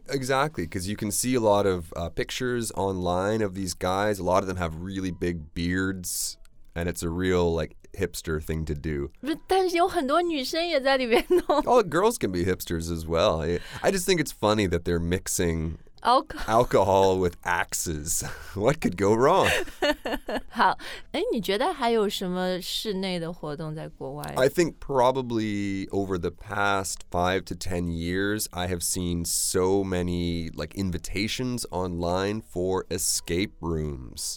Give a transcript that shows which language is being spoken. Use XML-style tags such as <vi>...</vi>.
<en>Yeah, exactly, because you can see a lot of pictures online of these guys. A lot of them have really big beards, and it's a real, like, hipster thing to do.</en> <zh>但是有很多女生也在里面弄。</zh> <en>Oh, girls can be hipsters as well. I just think it's funny that they're mixing alcohol with axes. What could go wrong?</en> <zh>好,诶,你觉得还有什么室内的活动在国外?</zh> <en>I think probably over the past 5 to 10 years, I have seen so many, like, invitations online for escape rooms.</en>